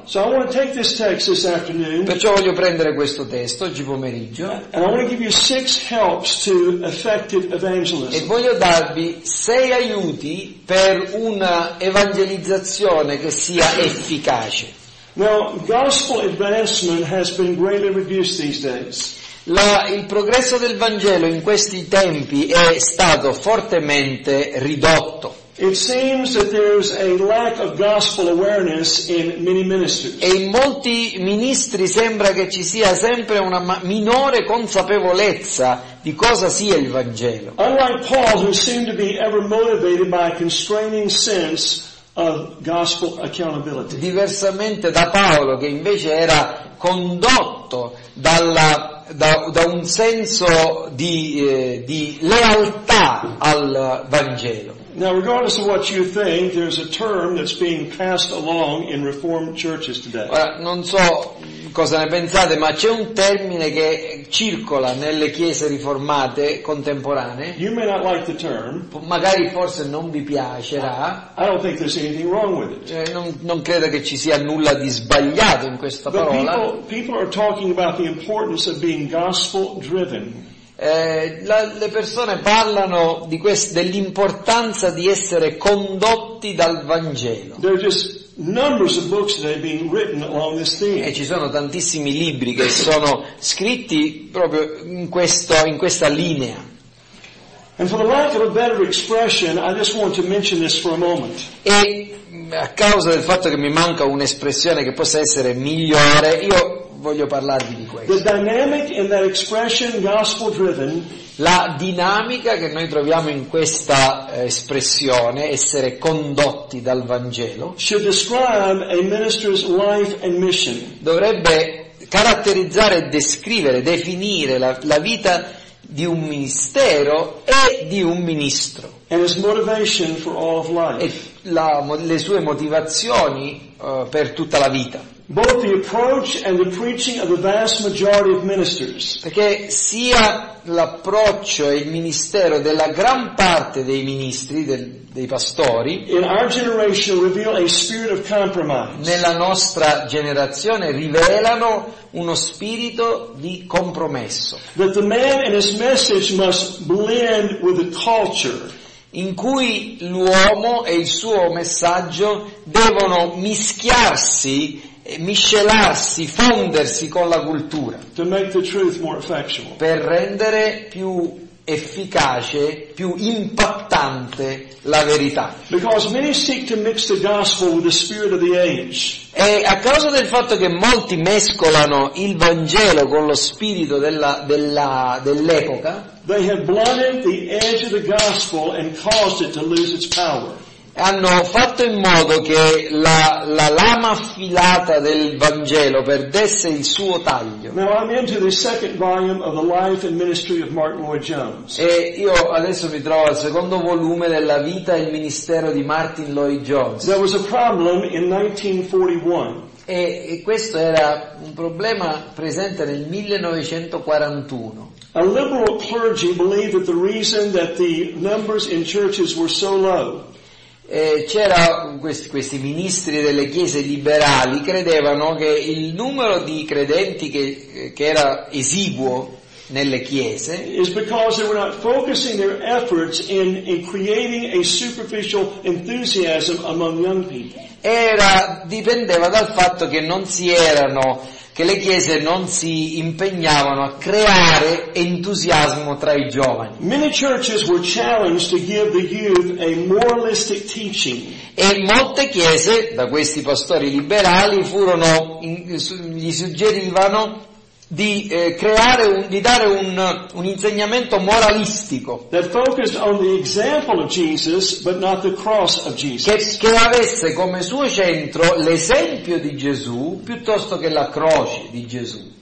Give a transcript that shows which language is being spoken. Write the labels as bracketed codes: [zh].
[en] So I want to take this text this afternoon, [it] perciò voglio prendere questo testo oggi pomeriggio [en] and I want to give you six helps to effective evangelism. [it] E voglio darvi sei aiuti per una evangelizzazione che sia efficace. [en] Now, gospel advancement has been greatly reduced these days. [it] Il progresso del Vangelo in questi tempi è stato fortemente ridotto. [en] It seems that there's a lack of gospel awareness in many ministers. [it] E in molti ministri sembra che ci sia sempre una minore consapevolezza di cosa sia il Vangelo. [en] Unlike Paul, who seemed to be ever motivated by a constraining sense of gospel accountability. [it] Diversamente da Paolo, che invece era condotto da un senso di lealtà al Vangelo. [en] Now, regardless of what you think, there's a term that's being passed along in Reformed churches today. [it] Ora, non so cosa ne pensate, ma c'è un termine che circola nelle chiese riformate contemporanee. [en] You may not like the term. [it] Magari forse non vi piacerà. [en] I don't think there's anything wrong with it. [it] Non credo che ci sia nulla di sbagliato in questa parola. [en] People are talking about the importance of being gospel-driven. [it] Le persone parlano di dell'importanza di essere condotti dal Vangelo. [en] There are just numbers of books that have been written along this theme. [it] E ci sono tantissimi libri che sono scritti proprio in questa linea. [en] And for the lack of a better expression, I just want to mention this for a moment. [it] E a causa del fatto che mi manca un'espressione che possa essere migliore, io voglio parlarvi di questo. [en] The dynamic in that expression, gospel driven, [it] la dinamica che noi troviamo in questa espressione, essere condotti dal Vangelo, [en] should describe a minister's life and mission. [it] Dovrebbe caratterizzare, descrivere, definire la vita di un ministero e di un ministro. [en] And his motivation for all of life. [it] E le sue motivazioni per tutta la vita. [en] Both the approach and the preaching of the vast majority of ministers. [it] Perché sia l'approccio e il ministero della gran parte dei ministri, dei pastori, [en] in our generation reveal a spirit of compromise. [it] Nella nostra generazione rivelano uno spirito di compromesso. [en] That the man and his message must blend with the culture. [it] In cui l'uomo e il suo messaggio devono mischiarsi, miscelarsi, fondersi con la cultura, [en] to make the truth more effectual. [it] Per rendere più efficace, più impattante la verità. [en] Because many seek to mix the gospel with the spirit of the age. [it] E a causa del fatto che molti mescolano il Vangelo con lo spirito dell'epoca, [en] they have blunted the edge of the gospel and caused it to lose its power. [it] Hanno fatto in modo che la lama affilata del Vangelo perdesse il suo taglio. [en] Now I'm into the second volume of the life and ministry of Martin Lloyd Jones. [it] E io adesso mi trovo al secondo volume della vita e il ministero di Martin Lloyd Jones. [en] There was a problem in 1941. [it] E questo era un problema presente nel 1941. [en] A liberal clergy believed that the reason that the numbers in churches were so low. [it] C'era questi ministri delle chiese liberali credevano che il numero di credenti che era esiguo nelle chiese, [en] is because they were not focusing their efforts in creating a superficial enthusiasm among young people. [it] Dipendeva dal fatto che non si erano, che le chiese non si impegnavano a creare entusiasmo tra i giovani. [en] Many churches were challenged to give the youth a moralistic teaching. [it] E molte chiese, da questi pastori liberali, furono gli suggerivano di creare un, di dare un insegnamento moralistico che avesse come suo centro l'esempio di Gesù piuttosto che la croce di Gesù.